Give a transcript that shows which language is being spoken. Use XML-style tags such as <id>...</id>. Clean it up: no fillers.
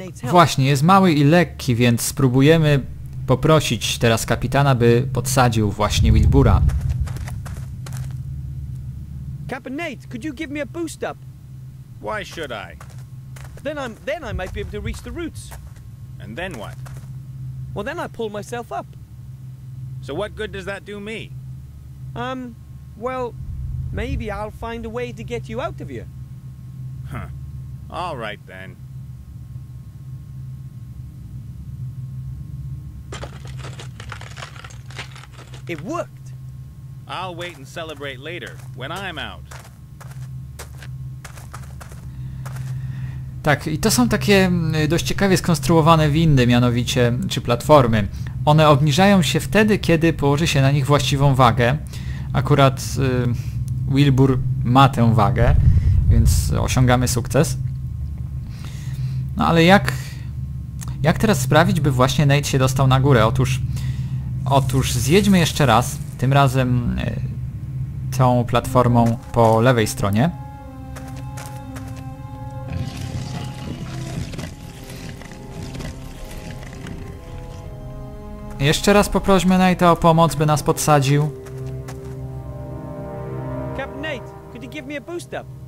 <pl>Właśnie, jest mały i lekki, więc spróbujemy poprosić teraz kapitana, by podsadził właśnie Wilbura.</pl> <en>Captain Nate, could you give me a boost up? Why should I? Then I might be able to reach the roots. And then what? Well, then I pull myself up. So what good does that do me? Well, maybe I'll find a way to get you out of here. Huh. All right then. It worked. I'll wait and celebrate later when I'm out.</en> <pl>Tak, i to są takie dość ciekawie skonstruowane windy, mianowicie, czy platformy. One obniżają się wtedy, kiedy położy się na nich właściwą wagę. Akurat Wilbur ma tę wagę, więc osiągamy sukces. No ale jak teraz sprawić, by właśnie Nate się dostał na górę? Otóż zjedźmy jeszcze raz, tym razem tą platformą po lewej stronie. Jeszcze raz poprośmy Nate'a o pomoc, by nas podsadził.</pl> <en>Captain Nate, could you give me a boost up?</en>